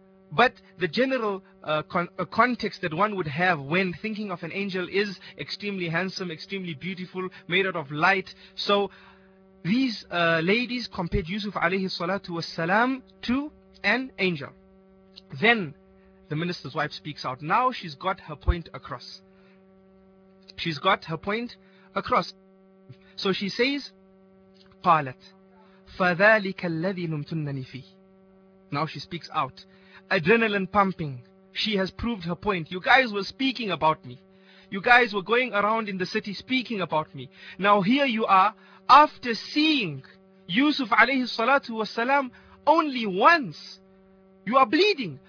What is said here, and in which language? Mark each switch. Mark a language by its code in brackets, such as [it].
[en] But the general context that one would have when thinking of an angel is extremely handsome, extremely beautiful, made out of light. So these ladies compared Yusuf alayhi salatu wasalam to an angel. Then the minister's wife speaks out. Now she's got her point across. She's got her point across. So she says, [ar] قالت فذلك الذي لمتنني فيه. [en] Now she speaks out. Adrenaline pumping. She has proved her point. You guys were speaking about me. You guys were going around in the city speaking about me. Now here you are, after seeing Yusuf alayhi salatu wasalam only once. You are bleeding.